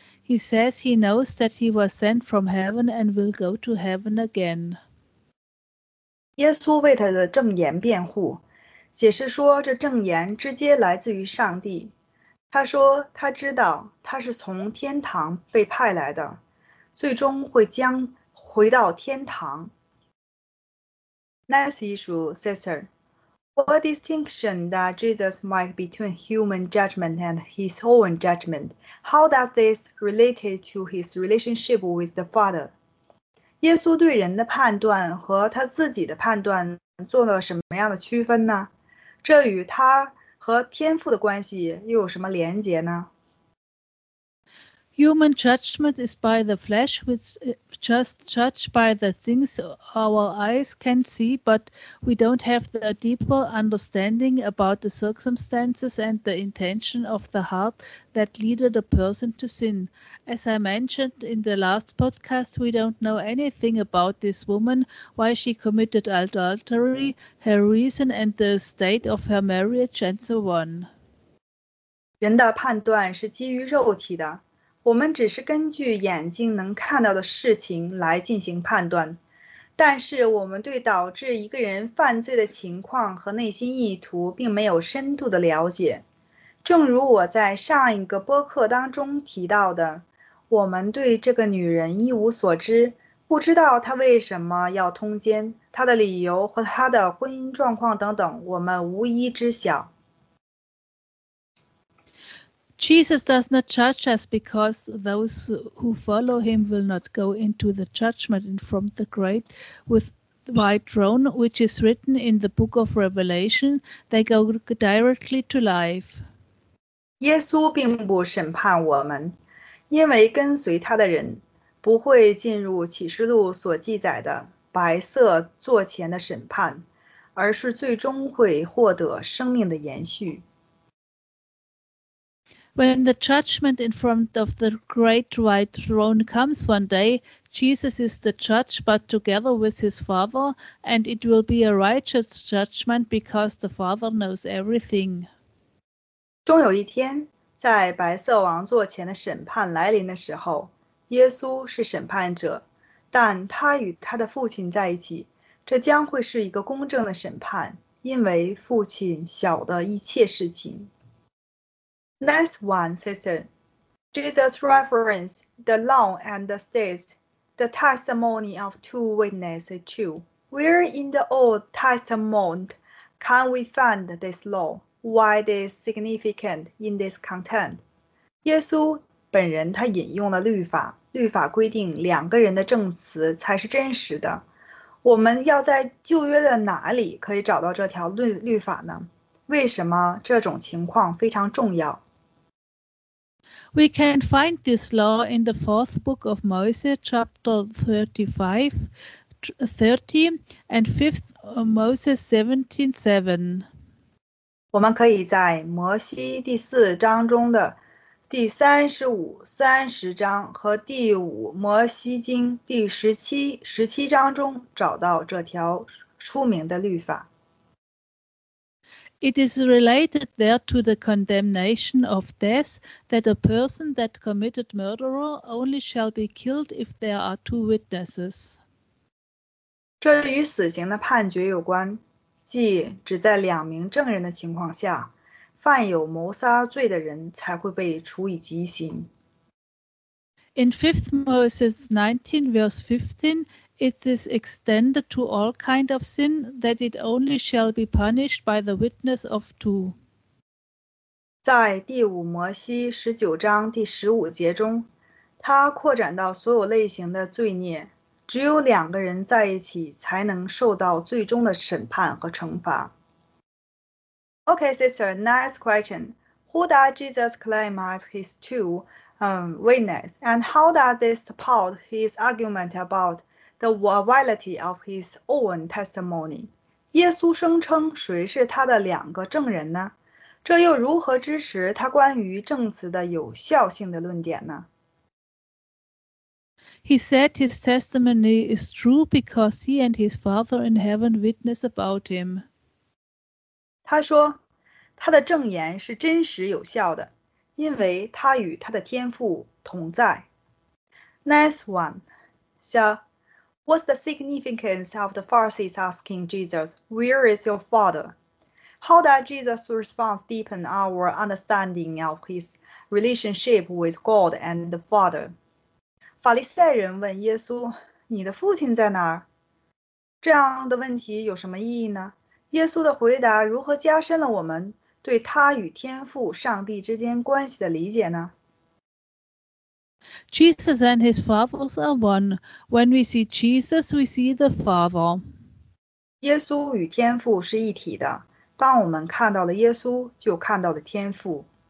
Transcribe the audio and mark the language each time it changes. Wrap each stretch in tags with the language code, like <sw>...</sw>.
<en>He says he knows that he was sent from heaven and will go to heaven again.</en> <zh>耶稣为他的证言辩护，解释说这证言直接来自于上帝。他说他知道他是从天堂被派来的，最终会将回到天堂。</zh> <en>Next issue, sister. What distinction does Jesus make between human judgment and his own judgment? How does this relate to his relationship with the Father?</en> <zh>耶稣对人的判断和他自己的判断做了什么样的区分呢？这与他和天父的关系又有什么连结呢？</zh> <en>Human judgment is by the flesh, which just judge by the things our eyes can see, but we don't have the deeper understanding about the circumstances and the intention of the heart that lead a person to sin. As I mentioned in the last podcast, we don't know anything about this woman, why she committed adultery, her reason and the state of her marriage, and so on.</en> <zh>人的判断是基于肉体的。我们只是根据眼睛能看到的事情来进行判断，但是我们对导致一个人犯罪的情况和内心意图并没有深度的了解。正如我在上一个播客当中提到的，我们对这个女人一无所知，不知道她为什么要通奸，她的理由和她的婚姻状况等等，我们无一知晓。</zh> <en>Jesus does not judge us because those who follow him will not go into the judgment in front of the great with white throne, which is written in the book of Revelation. They go directly to life.</en> <zh>耶稣并不审判我们，因为跟随他的人不会进入启示录所记载的白色座前的审判，而是最终会获得生命的延续。</zh> <en>When the judgment in front of the great white throne comes one day, Jesus is the judge, but together with his Father, and it will be a righteous judgment because the Father knows everything.</en> <zh>终有一天，在白色王座前的审判来临的时候，耶稣是审判者，但他与他的父亲在一起，这将会是一个公正的审判，因为父亲晓得一切事情。</zh> <en>Next one, sister. Jesus referenced the law and the states the testimony of two witnesses too. Where in the Old Testament can we find this law? Why is it significant in this context?</en> <zh>耶稣本人他引用了律法，律法规定两个人的证词才是真实的。我们要在旧约的哪里可以找到这条律法呢？为什么这种情况非常重要？</zh> <en>We can find this law in the fourth book of Moses, chapter 35:30 and fifth Moses 17:7.</en> <zh>我们可以在摩西第四章中的第35、30章和第五摩西经第17章中找到这条出名的律法。</zh> <en>It is related there to the condemnation of death that a person that committed murder only shall be killed if there are two witnesses.</en> <zh>这与死刑的判决有关，即只在两名证人的情况下，犯有谋杀罪的人才会被处以极刑。</zh> <en>In 5th Moses 19 verse 15,It is extended to all kind of sin that it only shall be punished by the witness of two.</en> <zh>在第五摩西十九章第十五节中，它扩展到所有类型的罪孽，只有两个人在一起才能受到最终的审判和惩罚。</zh> <en>Okay, sister, nice question. Who does Jesus claim as his two witnesses, and how does this support his argument aboutThe validity of his own testimony.</en> <zh>耶稣声称谁是他的两个证人呢？这又如何支持他关于证词的有效性的论点呢？</zh> <en>He said his testimony is true because he and his Father in heaven witness about him.</en> <zh>他说，他的证言是真实有效的，因为他与他的天父同在。</zh> <en>Nice one. So,What's the significance of the Pharisees asking Jesus, "Where is your father?" How does Jesus' response deepen our understanding of his relationship with God and the Father?</en> <zh>法利赛人问耶稣，你的父亲在哪儿？这样的问题有什么意义呢？耶稣的回答如何加深了我们对他与天父、上帝之间关系的理解呢？</zh> <en>Jesus and his Father are one. When we see Jesus, we see the Father.</en> <zh>耶稣与天父是一体的。当我们看到了耶稣，就看到了天父。</zh>